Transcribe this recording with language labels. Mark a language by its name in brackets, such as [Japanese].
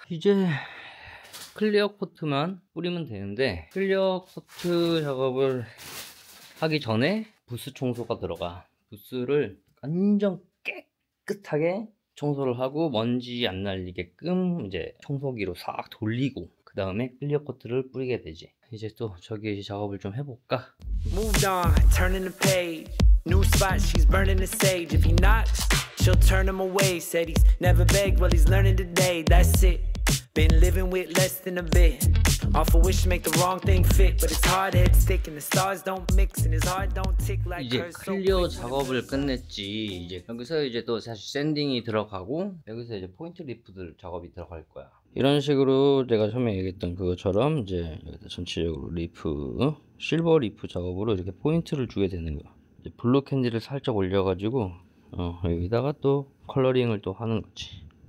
[Korean] 이제 클리어 코트만 뿌리면 되는데, 클리어 코트 작업을 하기 전에 부스 청소가 들어가. 부스를 완전 깨끗하게 청소를 하고 먼지 안 날리게끔 이제 청소기로 싹 돌리고 그 다음에 클리어 코트를 뿌리게 되지. 이제 또 저기 작업을 좀 해볼까? [English] Moved on, turning the page. New spot, she's burning the sage. If he knocks, she'll turn him away. Said he's never begged, well he's learning today. That's it. Been living with less than a bit. awful wish to make the wrong thing fit but it's hard head stick and the stars don't mix and his heart don't tick like [Korean] 이제 클리어 작업을 끝냈지. 이제 여기서 이제 또 사실 샌딩이 들어가고 여기서 이제 포인트 리프들 작업이 들어갈 거야. 이런 식으로 내가 처음에 얘기했던 그것처럼 이제 전체적으로 리프 실버 리프 작업으로 이렇게 포인트를 주게 되는 거야. 이제 블루 캔디를 살짝 올려가지고 여기다가 또 컬러링을 또 하는 거지.